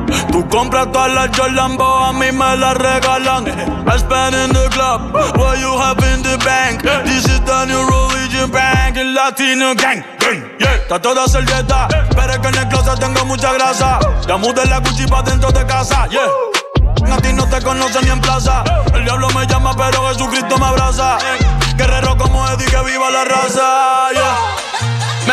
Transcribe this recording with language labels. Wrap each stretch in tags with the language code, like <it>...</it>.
<es>Tú compras todas las Jordan, pero a mí me las regalan.</es> <en>I spend in the club, what you have in the bank. This is the new religion bank,</en> <es>el Latino</es> <en>gang.</en> <es>Está toda servieta, pero es que en el closet tengo mucha grasa. Ya mudé la Gucci pa' dentro de casa, yeah. A ti no te conoce ni en plaza. El diablo me llama, pero Jesucristo me abraza. Guerrero como Eddie, que viva la raza. Yeah.</es>